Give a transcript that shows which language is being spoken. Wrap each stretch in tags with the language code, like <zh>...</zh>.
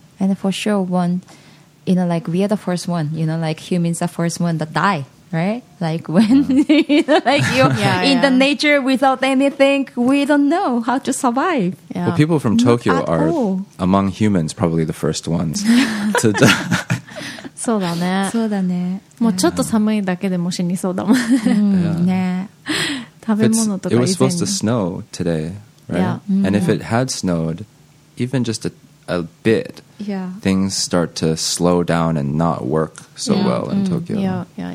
<en>And for sure, one, you know, like we are the first one, you know, like humans are first one that die. Right? Like when like you're in the nature without anything, we don't know how to survive. Yeah. Well, people from Tokyo are among humans probably the first ones to die.</en> <ja>そうだね。そうだね。もうちょっと寒いだけでも死にそうだもんね。食べ物とか以前に。</ja> <en>It was supposed to snow today, right? Yeah. And if it had snowed, even just a bit... Yeah. Things start to slow down and not work so well in Tokyo.</en>